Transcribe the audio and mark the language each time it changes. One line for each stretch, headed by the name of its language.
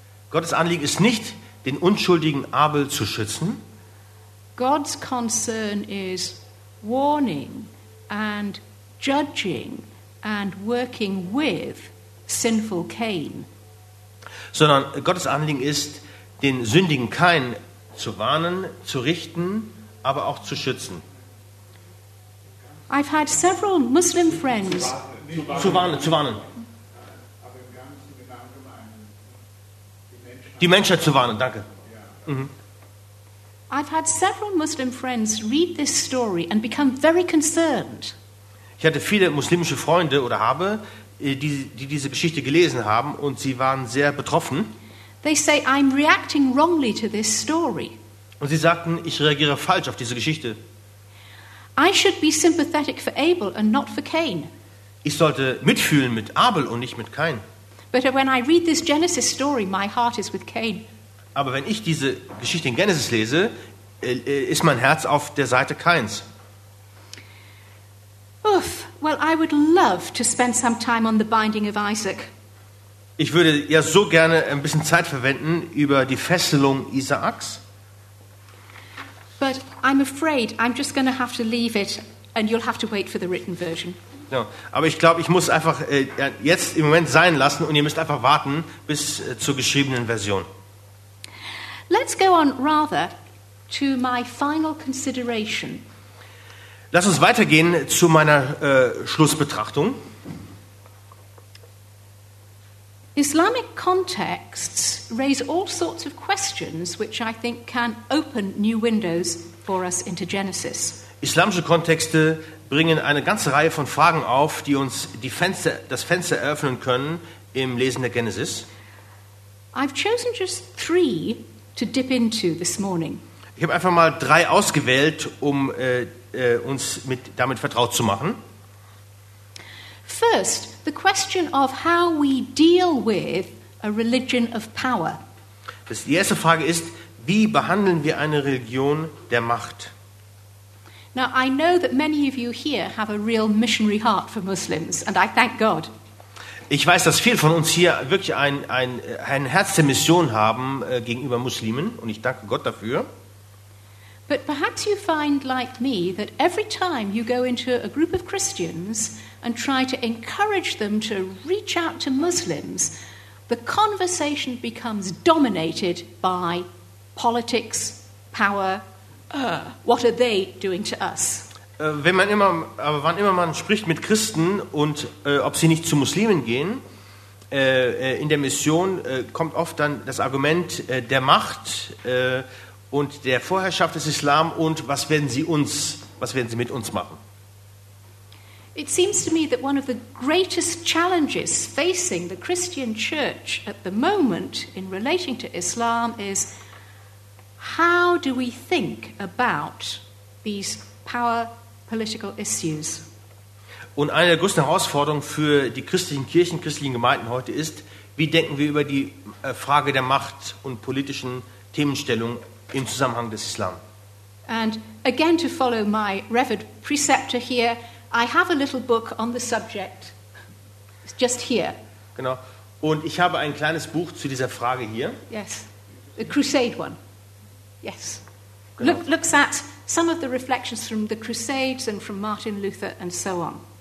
German: Gottes Anliegen ist nicht, den unschuldigen Abel zu schützen.
English: God's concern is warning and judging and working with sinful Cain.
German: Sondern Gottes Anliegen ist, den sündigen Kain zu warnen, zu richten, aber auch zu schützen.
English: I've had several Muslim friends.
German: Zu warnen. Die Menschheit zu warnen, danke. Mhm.
English: I've had several Muslim friends read this story and become very concerned.
German: Ich hatte viele muslimische Freunde oder habe, die diese Geschichte gelesen haben und sie waren sehr betroffen.
English: They say I'm reacting wrongly to this story.
German: Und sie sagten, ich reagiere falsch auf diese Geschichte.
English: I should be sympathetic for Abel and not for Cain.
German: Ich sollte mitfühlen mit Abel und nicht mit Cain.
English: But when I read this Genesis story, my heart is with Cain.
German: Aber wenn ich diese Geschichte in Genesis lese, ist mein Herz auf der Seite Kains.
English: Uff, well I would love to spend some time on the binding of Isaac.
German: Ich würde ja so gerne ein bisschen Zeit verwenden über die Fesselung Isaaks.
English: But I'm afraid I'm just going to have to leave it and you'll have to wait for the written version.
German: Ja, aber ich glaube, ich muss einfach jetzt im Moment sein lassen und ihr müsst einfach warten bis zur geschriebenen Version.
English: Let's go on rather to my final consideration.
German: Lass uns weitergehen zu meiner Schlussbetrachtung.
English: Islamic contexts raise all sorts of questions which I think can open new windows for us into Genesis.
German: Islamische Kontexte bringen eine ganze Reihe von Fragen auf, die uns das Fenster eröffnen können im Lesen der Genesis.
English: I've chosen just three to dip into this morning.
German: Ich habe einfach mal drei ausgewählt, um uns damit vertraut zu machen.
English: First, the question of how we deal with a religion of power.
German: Die erste Frage ist, wie behandeln wir eine Religion der Macht?
English: Now, I know that many of you here have a real missionary heart for Muslims, and I thank God.
German: Ich weiß, dass viele von uns hier wirklich ein Herz der Mission haben gegenüber Muslimen, und ich danke Gott dafür.
English: But perhaps you find, like me, that every time you go into a group of Christians and try to encourage them to reach out to Muslims, the conversation becomes dominated by politics, power. What are they doing to us?
German: Wann immer man spricht mit Christen und ob sie nicht zu Muslimen gehen, in der Mission kommt oft dann das Argument der Macht und der Vorherrschaft des Islam und was werden sie mit uns machen?
English: It seems to me that one of the greatest challenges facing the Christian church at the moment in relating to Islam is how do we think about these power political issues?
German: Und eine der größten Herausforderungen für die christlichen Kirchen, christlichen Gemeinden heute ist, wie denken wir über die Frage der Macht und politischen Themenstellung im Zusammenhang des Islam?
English: And again to follow my revered preceptor here, I have a little book on the subject. It's just here.
German: Genau. Und ich habe ein kleines Buch zu dieser Frage hier.
English: Yes. The Crusade one. Yes. Genau. Looks at some of the reflections from the Crusades and from Martin Luther and so on.